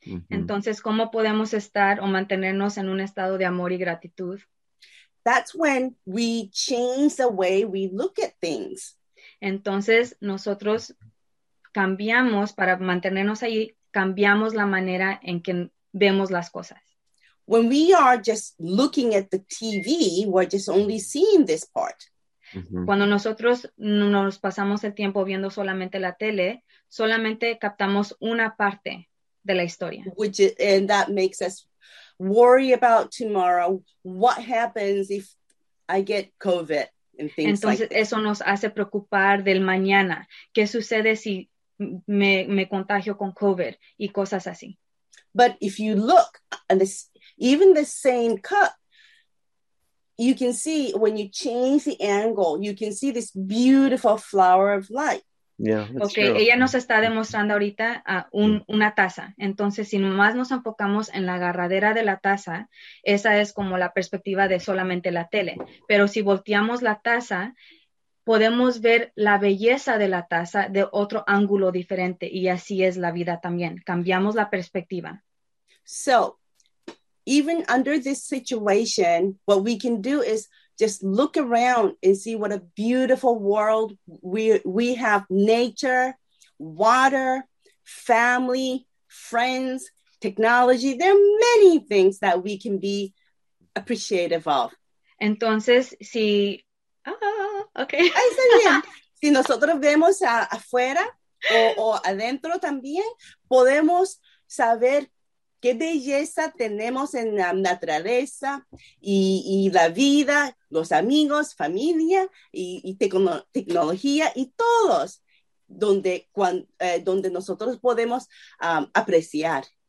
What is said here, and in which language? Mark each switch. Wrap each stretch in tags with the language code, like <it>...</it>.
<es>Entonces, ¿cómo podemos estar o mantenernos en un estado de amor y gratitud?</es> <en>That's when we change the way we look at things.</en> <es>Entonces, nosotros cambiamos, para mantenernos ahí, cambiamos la manera en que vemos las cosas.</es> <en>When we are just looking at the TV, we're just only seeing this part.</en> <es>Cuando nosotros nos pasamos el tiempo viendo solamente la tele, solamente captamos una parte de la historia.</es> <en>And that makes us worry about tomorrow. What happens if I get COVID and things like that?</en> <es>Entonces eso nos hace preocupar del mañana. ¿Qué sucede si me contagio con COVID? Y cosas así.</es> <en>But if you look at this, even the same cup, you can see when you change the angle, you can see this beautiful flower of light. Yeah, okay. True.</en> <es>Ella nos está demostrando ahorita una taza. Entonces, si nomás nos enfocamos en la agarradera de la taza, esa es como la perspectiva de solamente la tele. Pero si volteamos la taza, podemos ver la belleza de la taza de otro ángulo diferente. Y así es la vida también. Cambiamos la perspectiva.</es> <en>So, even under this situation, what we can do is just look around and see what a beautiful world we have. Nature, water, family, friends, technology. There are many things that we can be appreciative of.</en> <es>Entonces, si... Ahí está bien. Si nosotros vemos afuera o adentro también, podemos saber qué belleza tenemos en la naturaleza y la vida, los amigos, familia y tecnología y todos donde nosotros podemos apreciar.</es>